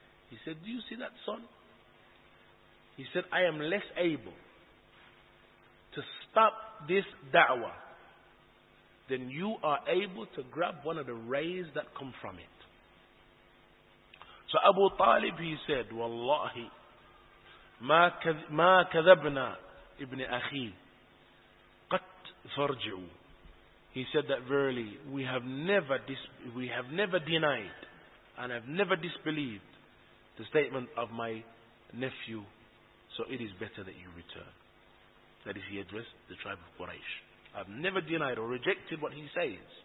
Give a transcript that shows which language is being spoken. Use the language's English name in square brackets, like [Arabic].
[English] He said, do you see that sun? He said, I am less able to stop this da'wah than you are able to grab one of the rays that come from it. So Abu Talib, he said, [Arabic] وَاللَّهِ مَا كَذَبْنَا إِبْنِ أَخِي قَتْ فَرْجِعُوا. [English] He said that verily we have never denied and have never disbelieved the statement of my nephew, so it is better that you return. that is, he addressed the tribe of Quraysh. I've never denied or rejected what he says.